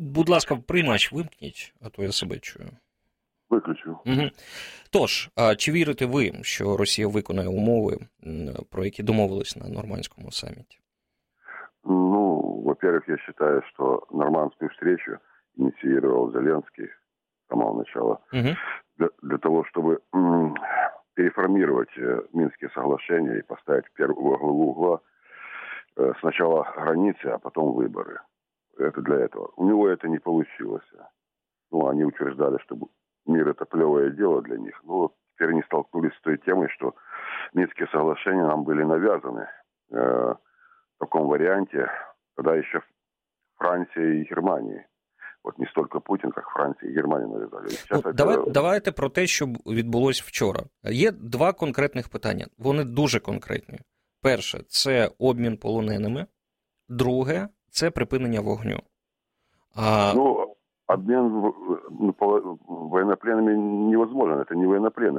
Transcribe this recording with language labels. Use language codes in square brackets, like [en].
[uk] Будь ласка, приймач вимкніть, а то я себе чую. Виключу. Угу. Тож, чи вірите ви, що Росія виконає умови, про які домовились на Нормандському саміті? [ru] Ну, во-первых, [uk] я вважаю, що Нормандську зустрічу ініціював Зеленський. [ru] Самого начала, для того, чтобы переформировать Минские соглашения и поставить в первую главу угла сначала границы, а потом выборы. Это для этого. У него это не получилось. Ну, они утверждали, что мир – это плевое дело для них. Но вот теперь они столкнулись с той темой, что Минские соглашения нам были навязаны в таком варианте, когда еще Франция и Германия. [uk] От не стільки Путін, як Франція і Германія навязали. Давайте про те, що відбулося вчора. Є два конкретних питання. Вони дуже конкретні. Перше – це обмін полоненими. Друге – це припинення вогню. Ну, обмін воєнопленними невозможно. Це не воєнопленні.